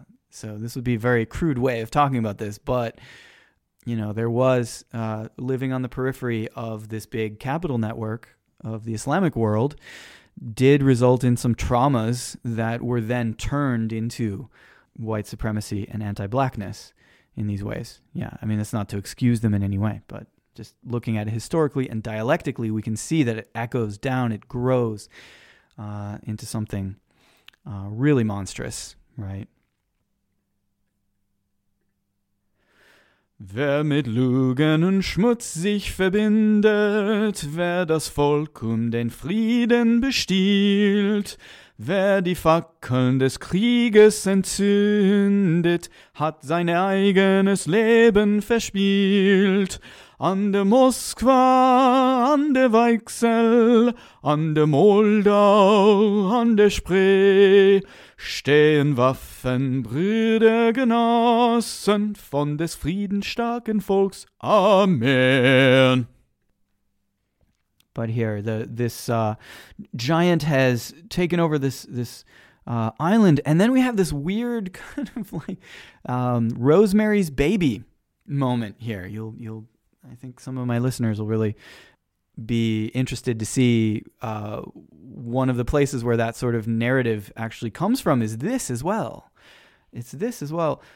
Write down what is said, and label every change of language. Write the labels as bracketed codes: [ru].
[en] So this would be a very crude way of talking about this. But, you know, there was living on the periphery of this big capital network of the Islamic world did result in some traumas that were then turned into white supremacy and anti-blackness in these ways. Yeah, I mean, that's not to excuse them in any way, but just looking at it historically and dialectically, we can see that it echoes down, it grows into something really monstrous, right? [de] Wer mit Lügen und Schmutz sich verbindet, wer das Volk den Frieden bestiehlt, wer die Fackeln des Krieges entzündet, hat sein eigenes Leben verspielt. An der Moskwa, an der Weichsel, an der Moldau, an der Spree, stehen Waffen, Brüder, Genossen, von des friedenstarken Volks. Amen. [en] But here, this giant has taken over this island, and then we have this weird kind of like Rosemary's Baby moment here. I think some of my listeners will really be interested to see one of the places where that sort of narrative actually comes from is this as well. It's this as well.